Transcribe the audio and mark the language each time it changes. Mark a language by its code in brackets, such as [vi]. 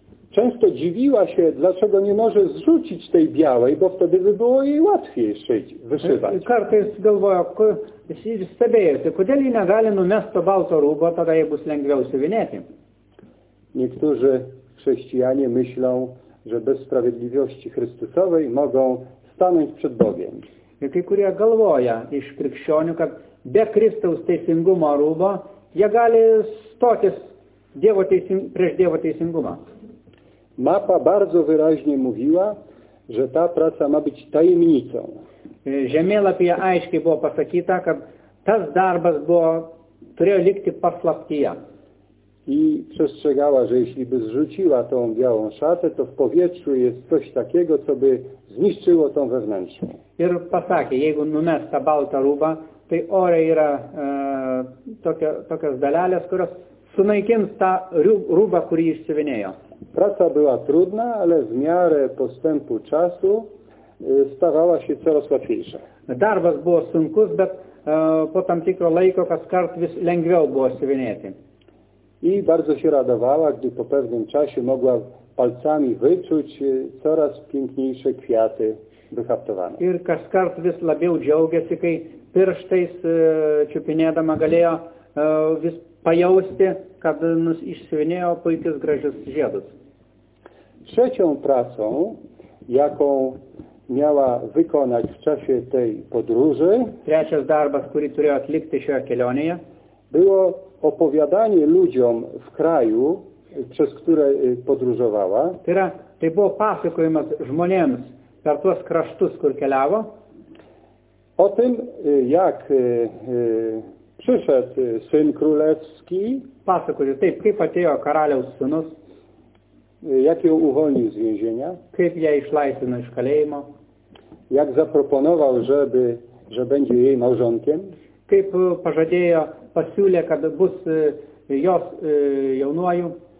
[pl] Często dziwiła się, dlaczego nie może zrzucić tej białej, bo wtedy by było jej łatwiej szyć, wyszywać. [lt] Kartais galvojo, stebėjosi, kodėl jį negali numest to balto rūbo, tada jie bus lengviau suvinėti. [pl] Niektórzy chrześcijanie myślą, że bez sprawiedliwości Chrystusowej mogą stanąć przed Bogiem. [lt] Kai kurie galvoja iš krikščionių, kad be Kristaus teisingumo rūbo jie gali stotis prieš Dievo teisingumą. [pl] Mapa bardzo wyraźnie mówiła, że ta praca ma być tajemnicą. [lt] Žemėlapyje aiškiai buvo pasakyta, kad tas darbas turėjo likti paslaptyje. [pl] I przestrzegała, że jeśli by zrzuciła tą białą szatę, to w powietrzu jest coś takiego, co by zniszczyło tą wewnętrzną. [lt] Ir pasakė, jeigu numes tą baltą rūbą, tai ore yra tokios dalelės, kurios sunaikins tą rūbą, kurį išsiuvinėjo. [pl] Praca była trudna, ale w miarę postępu czasu stawała się coraz łatwiejsza. [lt] Darbas buvo sunkus, bet po tam tikro laiko kaskart vis lengviau buvo siuvinėti. [pl] I bardzo się radowała, gdy po pewnym czasie mogła palcami wyczuć coraz piękniejsze kwiaty wyhaftowane. [lt] Ir kaskart vis labiau džiaugiasi, kai pirštais čiupinėdama galėjo vis pajausti, kad išsiuvinėjo puikius gražius žiedus. [pl] Trzecią pracą, jaką miała wykonać w czasie tej podróży, [lt] trečias darbas, kurį turėjo atlikti šioje kelionėje, [pl] było opowiadanie ludziom w kraju, przez które podróżowała. [lt] Tai buvo pasakojimas žmonėms per tuos kraštus, kur keliavo. [pl] O tym, jak przyszedł syn królewski. [lt] Pasakojo, taip, kaip atėjo karaliaus sūnus. [pl] Jak ją uvolnił z więzienia. [lt] Kaip ją išlaisvino iš kalėjimo. [pl] Jak zaproponował, że będzie jej małżonkiem. [lt] Kaip pažadėjo, pasiūlė, kad bus jos jaunuoju.